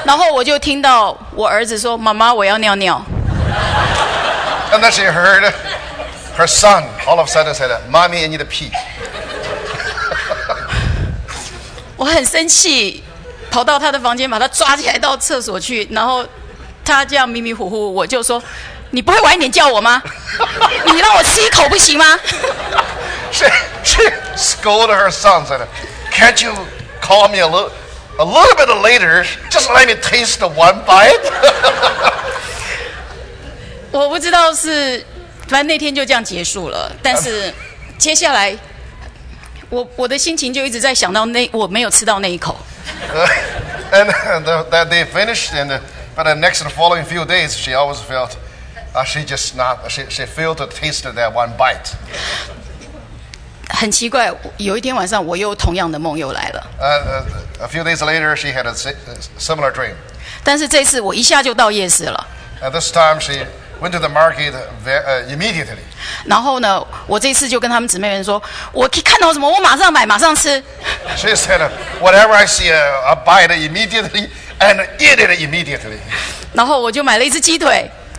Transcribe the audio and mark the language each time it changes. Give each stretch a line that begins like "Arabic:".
Chinese: 然后我就听到我儿子说：“妈妈，我要尿尿。”
English: And then she heard her son all of a sudden said, "Mommy, I need a pee."
Chinese: 我很生气，跑到他的房间，把他抓起来到厕所去。然后他这样迷迷糊糊，我就说：“你不会晚一点叫我吗？你让我吃一口不行吗？”
English: She scolded her son, said, "Can't you call me a little bit later? Just let me taste one bite."
Chinese: 我不知道是，反正那天就这样结束了。但是接下来，我的心情就一直在想到那我没有吃到那一口。
English: And that day finished, and but the next and following few days, she always felt she failed to taste that one bite.
Chinese: 很奇怪，有一天晚上我又同样的梦又来了。
English: A few days later, she had a similar dream.
Chinese: 但是这次我一下就到夜市了。
English: This time she went to the market immediately.
Chinese: 然后呢，我这次就跟他们姊妹们说，我看到什么，我马上买，马上吃。
English: She said, "Whatever I see, I buy it immediately and eat it immediately."
Chinese: 然后我就买了一只鸡腿。